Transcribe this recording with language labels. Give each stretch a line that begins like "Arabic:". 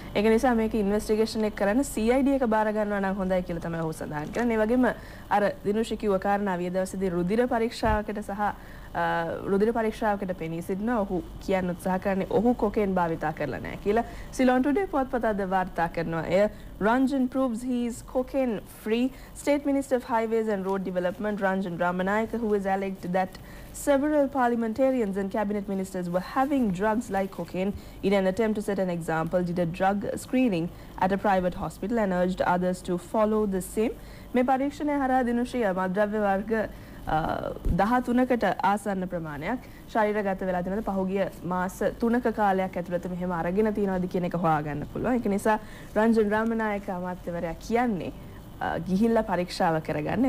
Sinhala: ඒක නිසා මේක ඉන්වෙස්ටිගේෂන් එක කරන්න CID එක බාර ගන්නවා නම් හොඳයි කියලා තමයි ඔහු සඳහන් කරන්නේ. ඒ වගේම අර දිනුෂි කිව්ව කාරණා විය දවසේදී රුධිර පරීක්ෂාවකට සහ රුධිර පරීක්ෂාවකට පෙනී සිටින ඔහු කියන්න උත්සාහ කරන්නේ ඔහු කොකේන් භාවිතා කරලා නැහැ කියලා සිලොන් ටුඩේ පුවත්පත අද වාර්තා කරනවා. එය
English: Ranjan proves he is cocaine free. State minister of highways and road development Ranjan Ramanayake, who is alleged that several parliamentarians and cabinet ministers were having drugs like cocaine in an attempt to set an example, did a drug screening at a private hospital and urged others to follow the same.
Sinhala: මේ පරීක්ෂණය හරහා දිනුෂිය මද්‍රව්‍ය වර්ග 13කට ආසන්න ප්‍රමාණයක් ශරීරගත වෙලා තියෙනවද පහුගිය මාස 3ක කාලයක් ඇතුළත මෙහෙම අරගෙන තියෙනවද කියන එක හොයාගන්න පුළුවන්. ඒක නිසා රන්ජන් රාමනායක අමාත්‍යවරයා කියන්නේ ගිහිල්ලා පරීක්ෂාව කරගන්න.